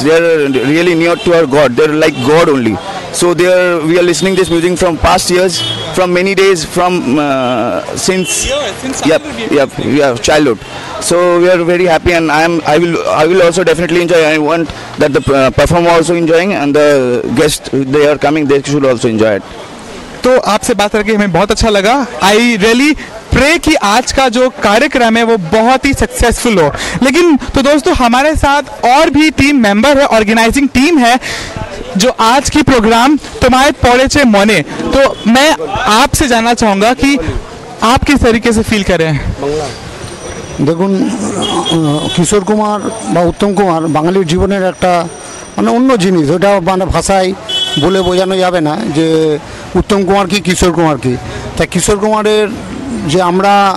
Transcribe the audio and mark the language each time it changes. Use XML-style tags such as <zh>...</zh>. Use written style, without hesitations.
<en>They are really near to our God, they are like God only. So we are listening this music from past years, from many days, from since childhood. So we are very happy and I will also definitely enjoy. I want that the performer also enjoying and the guest, they are coming, they should also enjoy it.</en> <hi>तो आपसे बात करके हमें बहुत अच्छा लगा।</hi> <en>I really pray</en> <hi>कि आज का जो कार्यक्रम है वो बहुत ही सक्सेसफुल हो। लेकिन तो दोस्तों हमारे साथ और भी टीम मेंबर है, ऑर्गेनाइजिंग टीम है जो आज की प्रोग्राम तुम्हारे पौड़े चे मोने। तो मैं आपसे जानना चाहूँगा कि आप किस तरीके से फील करें।</hi> <bn>देखो किशोर कुमार बा उत्तम कुमार बांगाली जीवन एक মানে অন্য জিনিস, ওটা মানে ভাষায় বলে বোঝানো যাবে না যে উত্তম কুমার কি কিশোর কুমার কি। তা কিশোর কুমারের যে আমরা</bn>